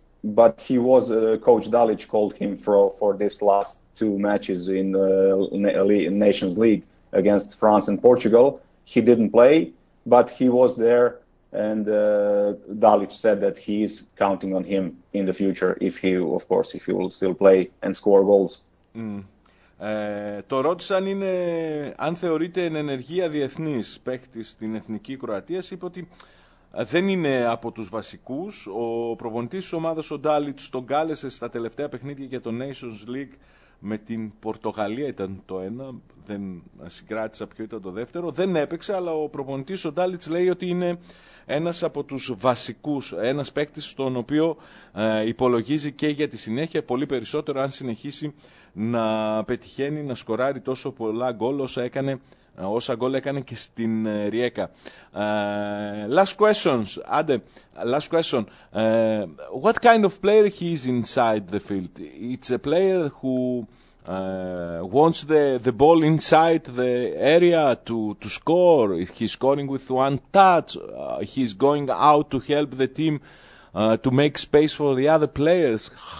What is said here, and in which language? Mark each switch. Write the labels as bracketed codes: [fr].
[en] But he was Coach Dalic called him for this last two matches in the Nations League against France and Portugal. He didn't play, but he was there, and Dalic said that he is counting on him in the future, if he will still play and score goals. Mm. [el] Το ρώτησαν είναι αν θεωρείται εν ενεργεία διεθνής παίκτης στην Εθνική Κροατίας. Είπε ότι δεν είναι από τους βασικούς. Ο προπονητής της ομάδας, ο Ντάλιτς, τον κάλεσε στα τελευταία παιχνίδια για το Nations League με την Πορτογαλία, ήταν το ένα, δεν συγκράτησα ποιο ήταν το δεύτερο. Δεν έπαιξε, αλλά ο προπονητής ο Ντάλιτς λέει ότι είναι ένας από τους βασικούς, ένας παίκτης τον οποίο υπολογίζει και για τη συνέχεια, πολύ περισσότερο αν συνεχίσει να πετυχαίνει, να σκοράρει τόσο πολλά γκολ όσα έκανε, όσα γκολ έκανε και στην Ριέκα. [en] Last questions, [el] άντε, [en] last question. What kind of player he is inside the field? It's a player who wants the ball inside the area to score. He's scoring with one touch. He's going out to help the team to make space for the other players.